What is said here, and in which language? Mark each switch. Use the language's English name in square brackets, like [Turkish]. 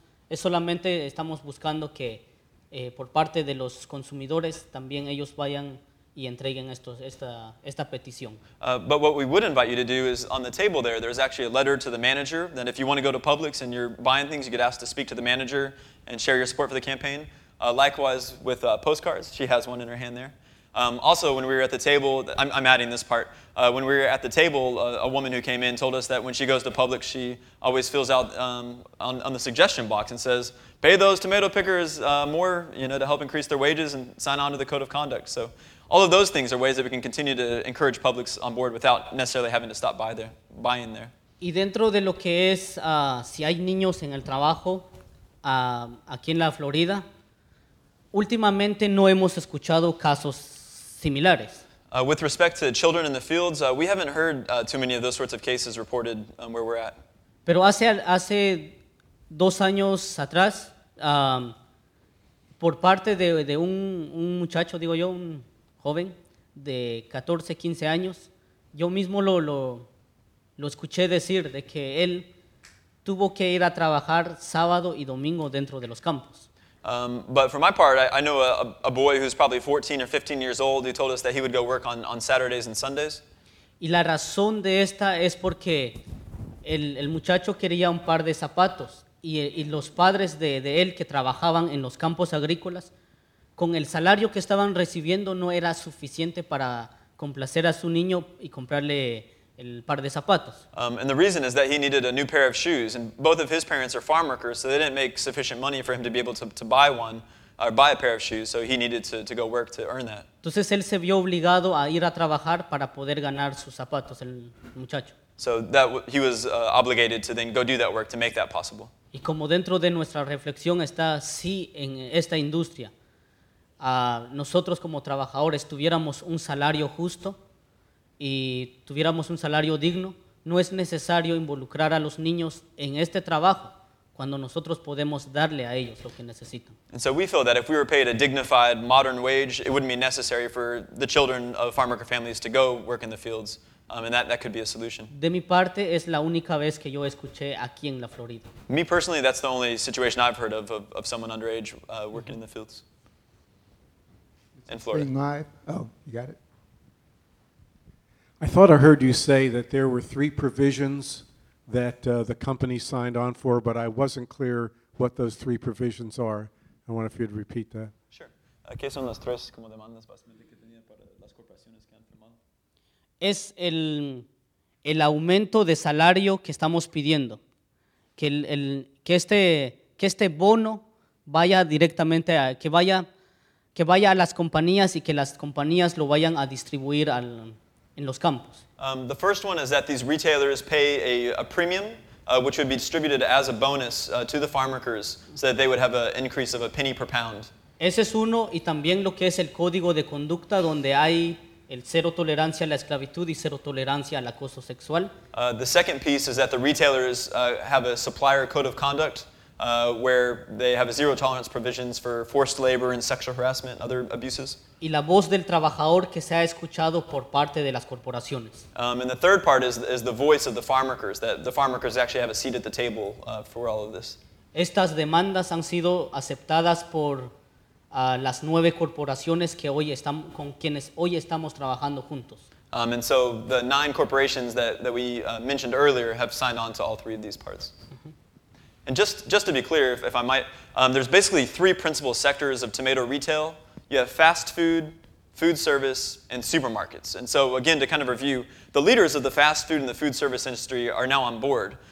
[Spanish] Solamente estamos buscando que por parte de los consumidores también ellos vayan y entreguen esta petición. [English] But what we would invite you to do is on the table there's actually a letter to the manager. Then if you want to go to Publix and you're buying things, you get asked to speak to the manager and share your support for the campaign. Likewise with postcards, she has one in her hand there. Also, when we were at the table, I'm adding this part. When we were at the table, a woman who came in told us that when she goes to Publix, she always fills out on the suggestion box and says, pay those tomato pickers more, you know, to help increase their wages and sign on to the code of conduct. So all of those things are ways that we can continue to encourage Publix on board without necessarily having to stop buying there. [Spanish] Y dentro de lo que es si hay niños en el trabajo aquí en la Florida, últimamente no hemos escuchado casos similares. [English] With respect to children in the fields, we haven't heard too many of those sorts of cases reported where we're at. [Spanish] Pero hace dos años atrás, por parte de un muchacho, digo yo, un joven de 14, 15 años, yo mismo lo escuché decir de que él tuvo que ir a trabajar sábado y domingo dentro de los campos. [English] But for my part, I know a boy who's probably 14 or 15 years old who told us that he would go work on Saturdays and Sundays. [Spanish] Y la razón de esta es porque el muchacho quería un par de zapatos y los padres de él que trabajaban en los campos agrícolas con el salario que estaban recibiendo no era suficiente para complacer a su niño y comprarle el par de zapatos. [English] And the reason is that he needed a new pair of shoes, and both of his parents are farm workers, so they didn't make sufficient money for him to be able to buy one or buy a pair of shoes, so he needed to go work to earn that. [Spanish] Entonces él se vio obligado a ir a trabajar para poder ganar sus zapatos, el muchacho. [English] So that he was obligated to then go do that work to make that possible. [Spanish] Y como dentro de nuestra reflexión está sí en esta industria, nosotros como trabajadores tuviéramos un salario justo y tuviéramos un salario digno, no es necesario involucrar a los niños en este trabajo cuando nosotros podemos darle a ellos lo que necesitan. [English] And so we feel that if we were paid a dignified modern wage, it wouldn't be necessary for the children of farm worker families to go work in the fields, and that could be a solution. [Spanish] De mi parte es la única vez que yo escuché aquí en la Florida. [English] Me personally, that's the only situation I've heard of someone underage working in the fields. in Florida. Being live. Oh, you got it. I thought I heard you say that there were three provisions that the company signed on for, but I wasn't clear what those three provisions are. I wonder if you'd repeat that. Sure. [Spanish] ¿Qué son las tres como demandas básicamente que tenía para las corporaciones que han firmado? Es el aumento de salario que estamos pidiendo, que este bono vaya directamente a que vaya a las compañías y que las compañías lo vayan a distribuir al en los campos. [English] The first one is that these retailers pay a premium which would be distributed as a bonus to the farm workers so that they would have an increase of a penny per pound. [Spanish] Ese es uno, y también lo que es el código de conducta donde hay el cero tolerancia a la esclavitud y cero tolerancia al acoso sexual. [English] The second piece is that the retailers have a supplier code of conduct where they have a zero tolerance provisions for forced labor and sexual harassment and other abuses. [Spanish] Y la voz del trabajador que se ha escuchado por parte de las corporaciones. [English] And the third part is the voice of the farm workers, that the farm workers actually have a seat at the table for all of this. [Spanish] Estas demandas han sido aceptadas por las nueve corporaciones que hoy con quienes hoy estamos trabajando juntos. [English] And so the nine corporations that we mentioned earlier have signed on to all three of these parts. Mm-hmm. And just to be clear, if I might, there's basically three principal sectors of tomato retail. You have fast food, food service, and supermarkets. And so again, to kind of review, the leaders of the fast food and the food service industry are now on board.